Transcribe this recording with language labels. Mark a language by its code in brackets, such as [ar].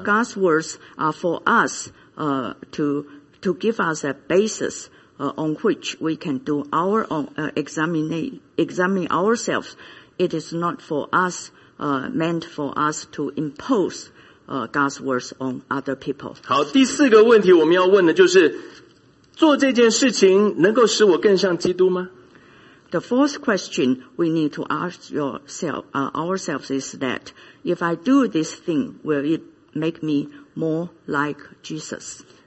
[en] God's words are for us, to give us a basis. On which we can do our own, examine ourselves. It is not for us, meant for us to impose, God's words on other people. [zh] 好, 第四个问题我们要问的就是，做这件事情能够使我更像基督吗？ [en] The fourth question we need to ask yourself, ourselves is that, if I do this thing, will it make me more like Jesus?